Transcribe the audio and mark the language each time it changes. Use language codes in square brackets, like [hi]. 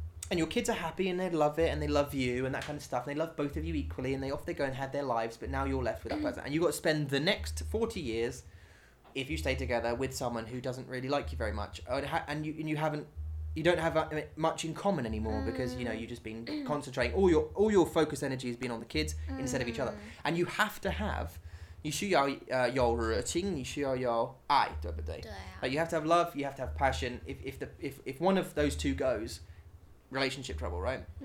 [en] And your kids are happy and they love it and they love you and that kind of stuff. And they love both of you equally and they off they go and have their lives, but now you're left with that person. And you've got to spend the next 40 years, if you stay together, with someone who doesn't really like you very much. And you don't have much in common anymore because, you know, you've just been concentrating. All your focus energy has been on the kids instead of each other. And you have to have... [zh] 你需要有热情，你需要有爱， 对不对？ [en] But you have to have love, you have to have passion. If one of those two goes, relationship trouble, right?